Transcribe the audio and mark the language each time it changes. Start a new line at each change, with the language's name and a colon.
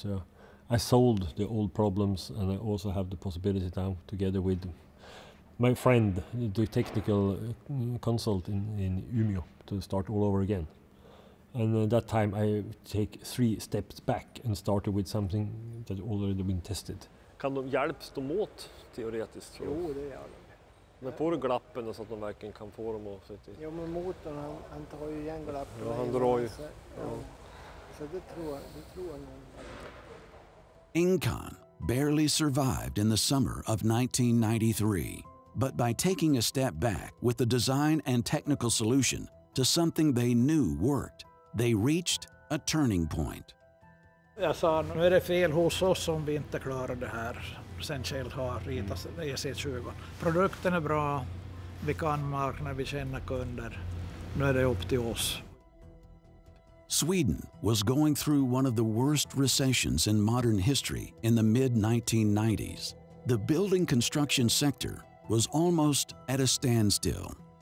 English: So I solved the old problems, and I also have the possibility now, together with my friend, the technical consult in Umeå, to start all over again. And at that time I take 3 steps back and started with something that already been tested.
Swedish: Kan de hjälps de åt teoretiskt? Jo, det gör de. Men får du glappen så att de verkligen kan få dem att sitta i? Ja, men motorn han tar ju igen glappen. Ja, han drar ju. Så det tror jag.
English: Engcon barely survived in the summer of 1993. But by taking a step back with the design and technical solution to something they knew worked, they reached a turning point.
Swedish: Jag sa, nu är det fel hos oss om vi inte klarar det här. Sen Kjell har ritat EC20. Produkten är bra, vi kan marknad, vi känner kunder. Nu är det upp till oss.
English: Sweden was going through one of the worst recessions in modern history in the mid-1990s. The building construction sector was almost at a standstill.